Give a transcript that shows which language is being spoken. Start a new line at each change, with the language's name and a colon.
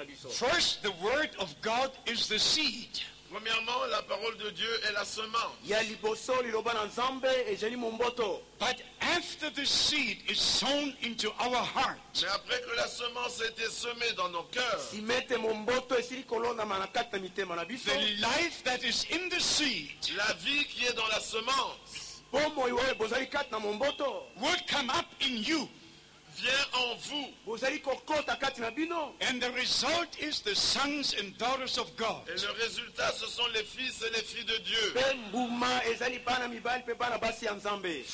English: First, the word of God is the seed.
French: Premièrement, la parole de Dieu est la semence.
English: But after the seed is sown into our heart.
French: Mais après que la semence a été semée dans nos cœurs.
English: The life that is in the seed.
French: La vie qui est dans la semence.
English: Would come up in you.
French: Vient en vous.
English: And the result is the sons and daughters of God.
French: Et le résultat, ce sont les fils et les filles de Dieu.